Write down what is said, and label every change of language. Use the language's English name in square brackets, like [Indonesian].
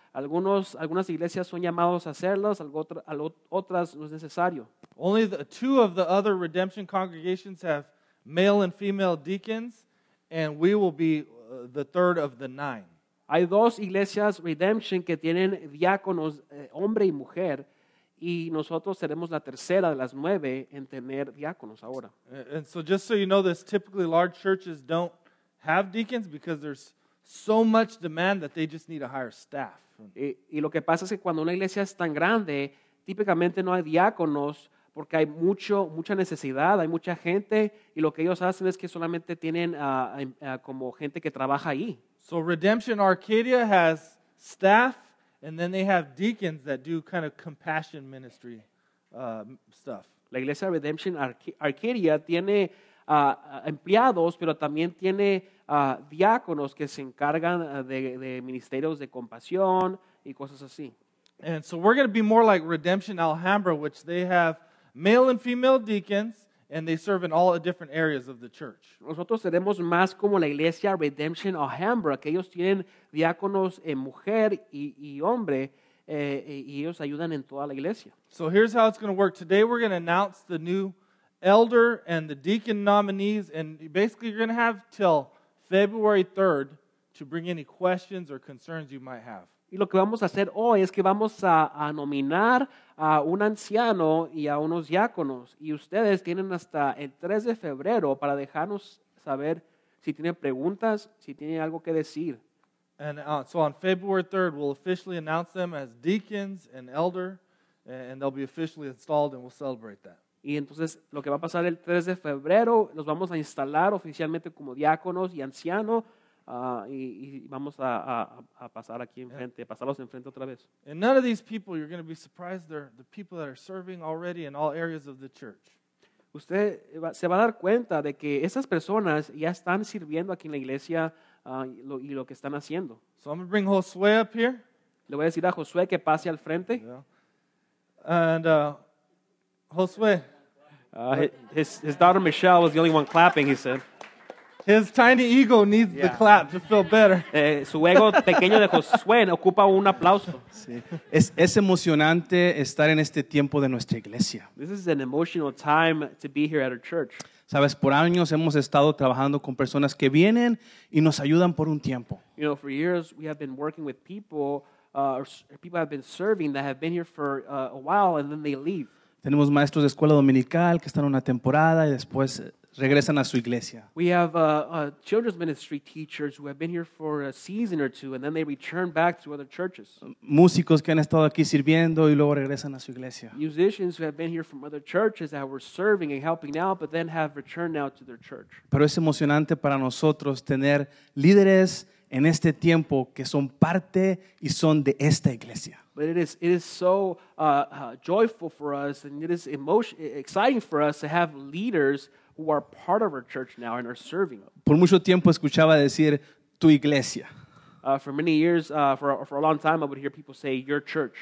[Spanish] Algunas iglesias son llamados a hacerlas, otras no es necesario. [English] Only the two of the other Redemption congregations have male and female deacons. And we will be the third of the nine. [Spanish] Hay dos iglesias Redemption que tienen diáconos, hombre y mujer, y nosotros seremos la tercera de las nueve en tener diáconos ahora. [English] And so just so you know this, typically large churches don't have deacons because there's so much demand that they just need a higher staff. [Spanish] Y lo que pasa es que cuando una iglesia es tan grande, típicamente no hay diáconos, porque hay mucha necesidad, hay mucha gente, y lo que ellos hacen es que solamente tienen como gente que trabaja ahí. [English] So Redemption Arcadia has staff, and then they have deacons that do kind of compassion ministry stuff. [Spanish] La iglesia Redemption Arcadia tiene empleados, pero también tiene diáconos que se encargan de ministerios de compasión y cosas así. [English] And so we're going to be more like Redemption Alhambra, which they have male and female deacons, and they serve in all the different areas of the church. [Spanish] Nosotros seremos más como la iglesia Redemption Alhambra, que ellos tienen diáconos en mujer y hombre, y ellos ayudan en toda la iglesia. [English] So here's how it's going to work. Today we're going to announce the new elder and the deacon nominees, and basically you're going to have till February 3rd to bring any questions or concerns you might have. [Spanish] Y lo que vamos a hacer hoy es que vamos a nominar a un anciano y a unos diáconos. Y ustedes tienen hasta el 3 de febrero para dejarnos saber si tienen preguntas, si tienen algo que decir. [English] And so on February 3rd, we'll officially announce them as deacons and elder, and they'll be officially installed, and we'll celebrate that. [Spanish] Y entonces, lo que va a pasar el 3 de febrero, los vamos a instalar oficialmente como diáconos y anciano. Y vamos a pasar aquí enfrente, pasarlos enfrente otra vez. [English] And none of these people, you're going to be surprised, they're the people that are serving already in all areas of the church. [Spanish] Usted se va a dar cuenta de que esas personas ya están sirviendo aquí en la iglesia y lo que están haciendo. [English] So I'm going to bring Josué up here. [Spanish] Le voy a decir a Josué que pase al frente. [English] Yeah. And Josue. His daughter Michelle was the only one clapping, he said. His tiny ego needs the clap to feel better. [Spanish] Su ego pequeño de Josué ocupa un aplauso. Es emocionante estar en este tiempo de nuestra iglesia. [English] This is an emotional time to be here at our church. [Spanish] Sabes, por años hemos estado trabajando con personas que vienen y nos ayudan por un tiempo. [English] You know, for years we have been working with people, people have been serving that have been here for a while and then they leave. [Spanish] Tenemos maestros de escuela dominical que están una temporada y después regresan a su iglesia. [English] We have children's ministry teachers who have been here for a season or two and then they return back to other churches. [Spanish] Músicos que han estado aquí sirviendo y luego regresan a su iglesia. [English] Musicians who have been here from other churches that were serving and helping out but then have returned now to their church. [Spanish] Pero es emocionante para nosotros tener líderes en este tiempo que son parte y son de esta iglesia. [English] But it is so joyful for us and it is exciting for us to have leaders who are part of our church now and are serving us. [Spanish] Por mucho tiempo escuchaba decir tu iglesia. [English] For many years, for a long time, I would hear people say your church.